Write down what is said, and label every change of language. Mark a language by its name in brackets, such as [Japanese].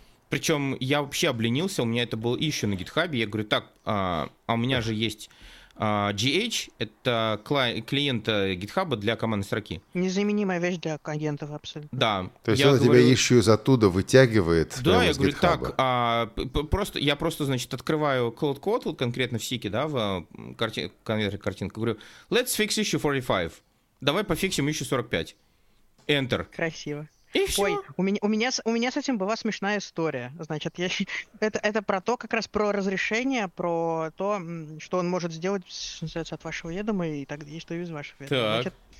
[Russian] Причем я вообще обленился, у меня это было еще на GitHub. Я говорю, так, а у меня же есть GH, это клиент GitHub для командной строки. Незаменимая вещь для агентов абсолютно. Да. То есть он тебя еще из оттуда вытягивает. Да, я говорю, GitHub. Так, просто, значит, открываю Cloud Code, вот конкретно в Сики, да, в конвертере картинка. [English] Говорю, let's fix issue 45. [Russian] Давай пофиксим issue 45. Enter. Красиво. И все. Ой, у меня с этим была смешная история. Значит, это про то, как раз про разрешение, про то, что он может сделать от вашего ведома и так далее, что из вашего ведома. Так. Значит,